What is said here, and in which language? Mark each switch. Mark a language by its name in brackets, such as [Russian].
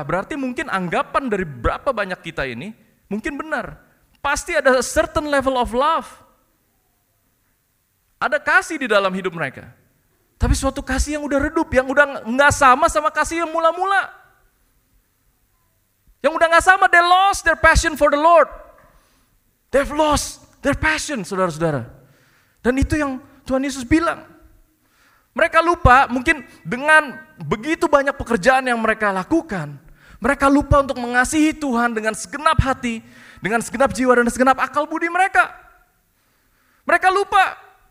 [Indonesian] Berarti mungkin anggapan dari berapa banyak kita ini, mungkin benar. Pasti ada [English] a certain level of love. [Indonesian] Ada kasih di dalam hidup mereka. Tapi suatu kasih yang udah redup, yang udah gak sama kasih yang mula-mula. Yang udah gak sama, [English] they lost their passion for the Lord. They've lost their passion, [Indonesian] saudara-saudara. Dan itu yang Tuhan Yesus bilang. Mereka lupa, mungkin dengan begitu banyak pekerjaan yang mereka lakukan, mereka lupa untuk mengasihi Tuhan dengan segenap hati, dengan segenap jiwa, dan segenap akal budi mereka. Mereka lupa.